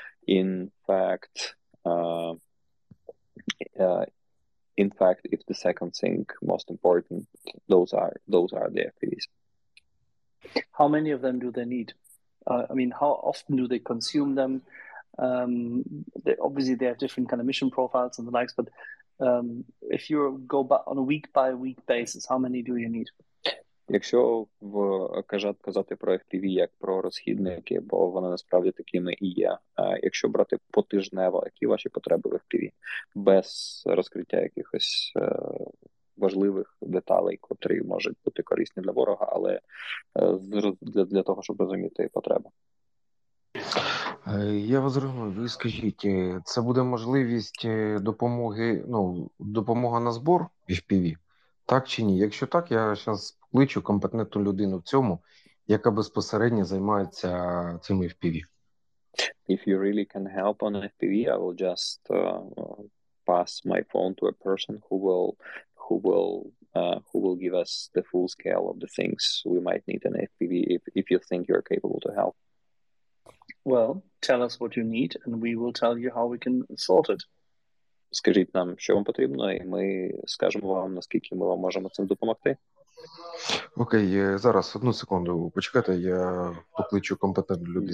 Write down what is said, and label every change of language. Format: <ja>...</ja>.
<en>In fact, if the second thing most important, those are the FPVs. How many of them do they need? I mean, how often do they consume them? Obviously, they have different kind of mission profiles and the likes. But if you go on a week by week basis, how many do you need?</en> <uk>Якщо казати про FPV як про розхідники, бо вони насправді такими і є, якщо брати потижнево, які ваші потреби в FPV, без розкриття якихось важливих деталей, котрі можуть бути корисні для ворога, але для того, щоб розуміти потреби. Я вас розумію, ви скажіть, це буде можливість допомоги, ну, допомога на збор FPV, так чи ні? Якщо так, я зараз кличу компетентну людину в цьому, яка безпосередньо займається цим FPV.</uk> <en>If you really can help on FPV, I will just pass my phone to a person who will give us the full scale of the things we might need in FPV if you think you're capable to help. Well, tell us what you need and we will tell you how we can sort it.</en> <uk>Скажіть нам, що вам потрібно, і ми скажемо вам, наскільки ми вам можемо цим допомогти. Окей, зараз, одну секунду, почекайте, я покличу компетентну людину.</uk>